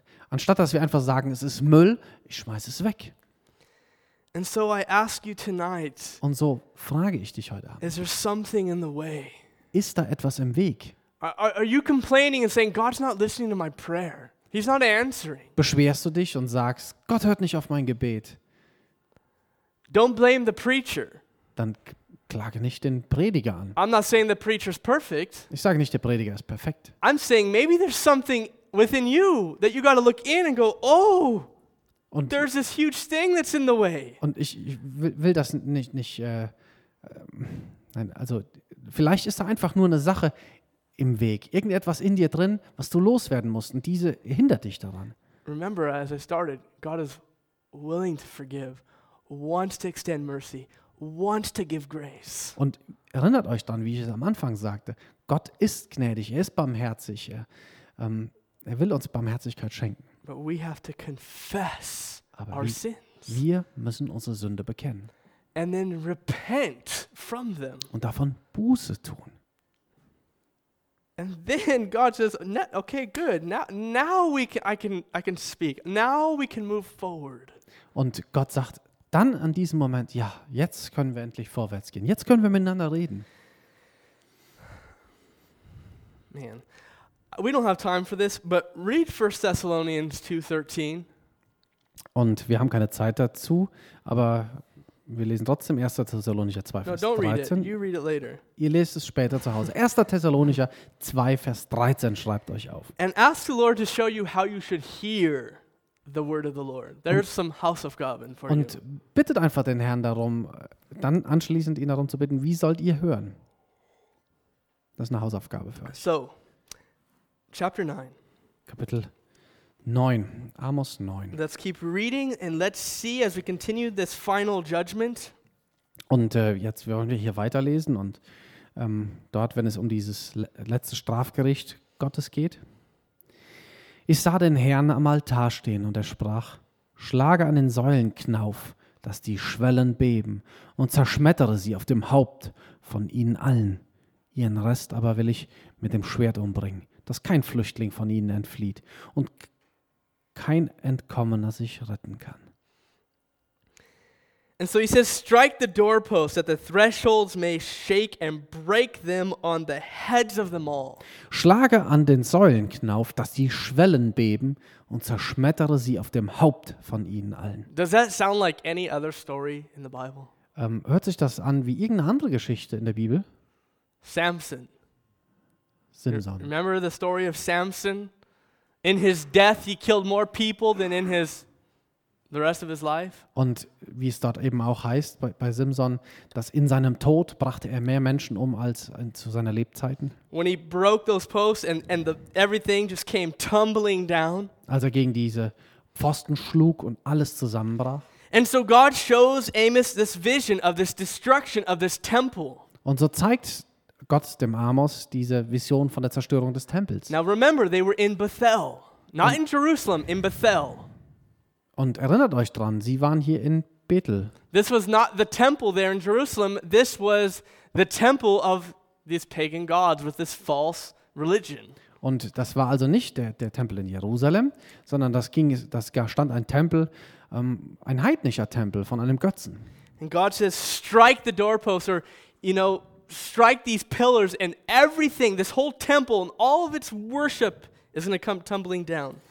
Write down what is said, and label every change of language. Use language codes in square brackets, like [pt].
[de] Anstatt dass wir einfach sagen, es ist Müll, ich schmeiß es weg. [en] And so I ask you tonight. [de] Und so frage ich dich heute Abend. [en] Is there something in the way? [de] Ist da etwas im Weg? [en] Are you complaining and saying God's not listening to my prayer? He's not answering. [de] Beschwerst du dich und sagst, Gott hört nicht auf mein Gebet? [en] Don't blame the preacher. [de] Dann klage nicht den Prediger an. [en] I'm not saying the preacher's perfect. [de] Ich sage nicht, der Prediger ist perfekt. [en] I'm saying maybe there's something within you that you got to look in and go, oh. [de] Und [en] there's this huge thing that's in the way. [de] Und ich will das nicht, also vielleicht ist da einfach nur eine Sache im Weg, irgendetwas in dir drin, was du loswerden musst, und diese hindert dich daran. [en] Remember, as I started, God is willing to forgive, wants to extend mercy, wants to give grace. [de] Und erinnert euch dran, wie ich es am Anfang sagte: Gott ist gnädig, er ist barmherzig, er will uns Barmherzigkeit schenken. [en] But we have to confess our sins. [de] Wir müssen unsere Sünde bekennen. [en] And then repent from them. [de] Und davon Buße tun. [en] And then God says, okay, good. Now we can, I can speak. Now we can move forward. [de] Und Gott sagt dann an diesem Moment, ja, jetzt können wir endlich vorwärts gehen. Jetzt können wir miteinander reden. [en] Man, we don't have time for this, but read 1 Thessalonians 2:13. [de] Und wir haben keine Zeit dazu, aber wir lesen trotzdem 1. Thessalonicher 2, [en] no, [de] Vers 13. [en] Read it. You read it later. [de] Ihr lest es später zu Hause. 1. Thessalonicher 2, Vers 13, schreibt euch auf. [en] And ask the Lord to show you how you should hear the word of the Lord. There's some house of God in for you. [de] Und bittet einfach den Herrn darum, dann anschließend ihn darum zu bitten, wie sollt ihr hören? Das ist eine Hausaufgabe für euch. [en] So, chapter 9. [de] Kapitel 9, Amos 9. [en] Let's keep reading and let's see as we continue this final judgment. [de] Und jetzt wollen wir hier weiterlesen und dort, wenn es um dieses letzte Strafgericht Gottes geht. Ich sah den Herrn am Altar stehen und er sprach, schlage an den Säulenknauf, dass die Schwellen beben und zerschmettere sie auf dem Haupt von ihnen allen. Ihren Rest aber will ich mit dem Schwert umbringen, dass kein Flüchtling von ihnen entflieht und kein Entkommener sich retten kann. [en] And so he says, strike the doorposts, that the thresholds may shake and break them on the heads of them all. [de] Schlage an den Säulenknauf, dass die Schwellen beben und zerschmettere sie auf dem Haupt von ihnen allen. [en] Does that sound like any other story in the Bible? [de] Hört sich das an wie irgendeine andere Geschichte in der Bibel? [en] Samson. [de] Simson. [en] Remember the story of Samson? In his death he killed more people than in his the rest of his life. [de] Und wie es dort eben auch heißt bei Simson, dass in seinem Tod brachte er mehr Menschen um als zu seiner Lebzeiten. [en] When he broke those posts and the everything just came tumbling down. [de] Als er gegen diese Pfosten schlug und alles zusammenbrach. [en] And so God shows Amos this vision of this destruction of this temple. [de] Und so zeigt Gott dem Amos diese Vision von der Zerstörung des Tempels. [en] Now remember, they were in Bethel, not in Jerusalem, in Bethel. [de] Und erinnert euch dran, sie waren hier in Bethel. [en] This was not the temple there in Jerusalem. This was the temple of these pagan gods with this false religion. [de] Und das war also nicht der Tempel in Jerusalem, sondern stand ein Tempel, ein heidnischer Tempel von einem Götzen. [en] And God says, strike the doorposts, or you know, strike these pillars and everything, this whole temple and all of its worship is going to come tumbling down.